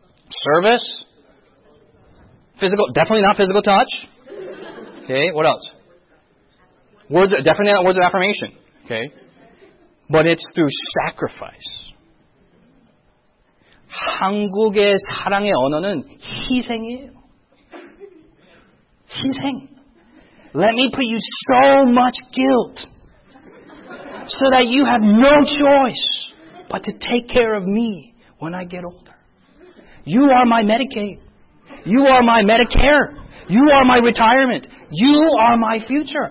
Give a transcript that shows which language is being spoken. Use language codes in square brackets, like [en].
[en] Service. Physical. Definitely not physical touch. Okay. What else? Words. Definitely not words of affirmation. Okay. But it's through sacrifice. [ko] 한국의 사랑의 언어는 희생이에요. 희생. [en] Let me put you so much guilt so that you have no choice but to take care of me when I get older. You are my Medicaid. You are my Medicare. You are my retirement. You are my future.